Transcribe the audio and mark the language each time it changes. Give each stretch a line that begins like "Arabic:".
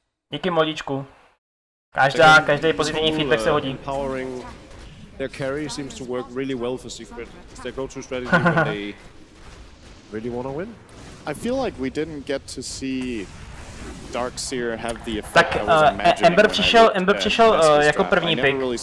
Czech: Díky modičku. Každý pozitivní feedback se hodí.
English: Empowering their carry seems to work really well for Secret. It's their go-to strategy when they really want to win. I feel like we didn't get to see Darkseer have the effect.
Czech: Tak Ember přišel jako první pick.